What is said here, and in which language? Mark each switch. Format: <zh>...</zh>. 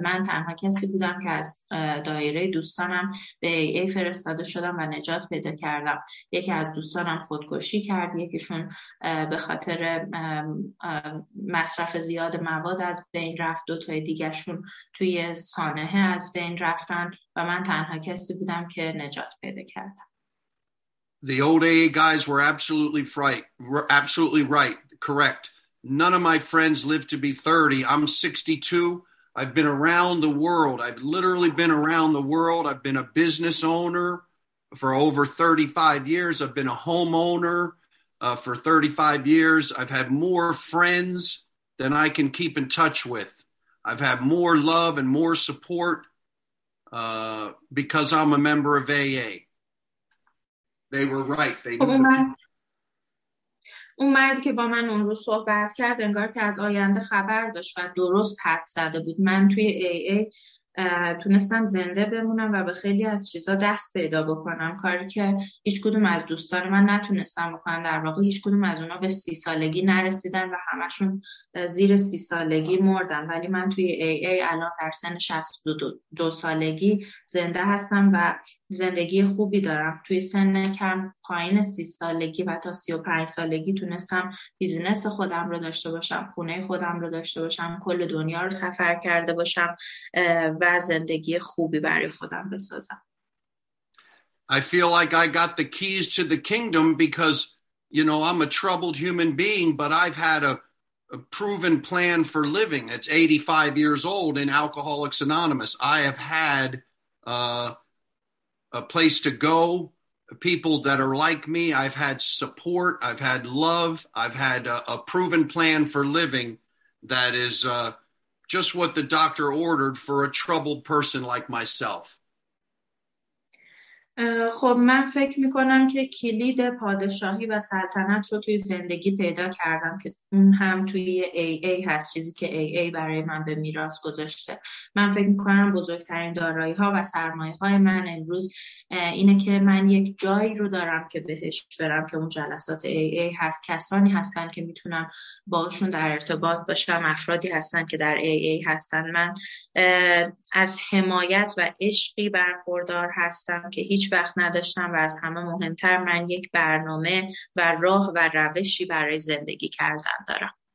<fa>من تنها کسی بودم که از دایره دوستانم به AA فرستاده شدم و نجات پیدا کردم. یکی از دوستانم خودکشی کرد، یکیشون به خاطر مصرف زیاد مواد از بین رفت، دو تا دیگه شون توی سانحه از بین رفتن و من تنها کسی بودم که نجات پیدا کردم.</fa> <en>The old AA guys were absolutely absolutely right, correct. None of my friends lived to be 30. I'm 62. I've been around the world. I've literally been around the world. I've been a business owner for over 35 years. I've been a homeowner for 35 years. I've had more friends than I can keep in touch with. I've had more love and more support because I'm a member of AA. They were right. They knew.</en> <fa>اون مردی که با من اون روز صحبت کرد انگار که از آینده خبر داشت و درست حد زده بود. من توی AA تونستم زنده بمونم و به خیلی از چیزا دست پیدا بکنم، کاری که هیچ کدوم از دوستان من نتونستم بکنم. در واقع هیچ کدوم از اونا به 30 سالگی نرسیدن و همشون زیر 30 سالگی مردن، ولی من توی AA الان در سن 62 سالگی زنده هستم و زندگی خوبی دارم. توی سن کم پایین 30 سالگی و تا 35 سالگی تونستم بیزینس خودم رو داشته باشم، خونه خودم رو داشته باشم، کل دنیا رو سفر کرده باشم و زندگی خوبی برای خودم بسازم.</fa> <en>I feel like I got the keys to the kingdom because, you know, I'm a troubled human being, but I've had a proven plan for living. It's 85 years old in Alcoholics Anonymous. I have had a place to go, people that are like me. I've had support. I've had love. I've had a proven plan for living that is just what the doctor ordered for a troubled person like myself.</en> <fa>خب من فکر میکنم که کلید پادشاهی و سلطنت رو توی زندگی پیدا کردم که اون هم توی AA هست، چیزی که AA برای من به میراث گذاشته. من فکر میکنم بزرگترین دارایی ها و سرمایه های من امروز اینه که من یک جایی رو دارم که بهش برم که اون جلسات AA هست، کسانی هستن که میتونم باشون در ارتباط باشم، افرادی هستن که در AA هستن، من از حمایت و عشقی برخوردار هستم که هیچ وقت نداشتم و از همه مهمتر من یک برنامه و راه و روشی برای زندگی کردن دارم.</fa>